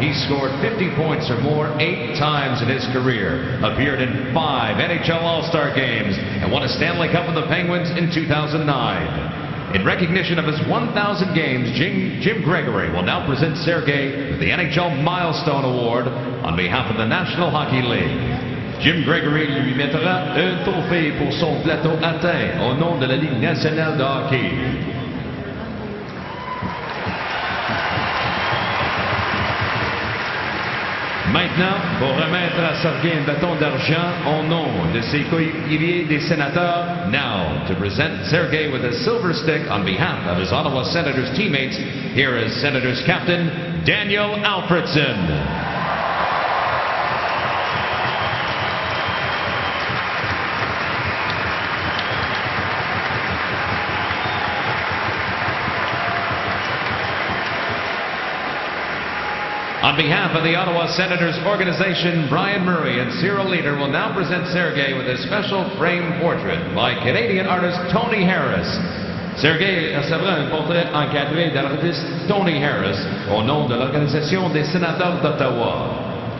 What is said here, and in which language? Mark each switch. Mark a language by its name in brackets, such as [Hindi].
[English] He scored 50 points or more 8 times in his career, appeared in 5 NHL All-Star games, and won a Stanley Cup with the Penguins in 2009. In recognition of his 1,000 games, Jim Gregory will now present Sergei with the NHL Milestone Award on behalf of the National Hockey League. [French] Jim Gregory lui mettra un trophée pour son plateau atteint au nom de la Ligue nationale de hockey. Maintenant, pour remettre à Sergei un bâton d'argent au nom de ses coéquipiers des sénateurs, [English] now, to present Sergei with a silver stick on behalf of his Ottawa Senators teammates, here is Senators captain Daniel Alfredson. On behalf of the Ottawa Senators organization, Brian Murray and Cyril Leader will now present Sergei with a special framed portrait by Canadian artist Tony Harris. [French] Sergei recevra un portrait encadré d'artiste Tony Harris au nom de l'Organisation des Sénateurs d'Ottawa.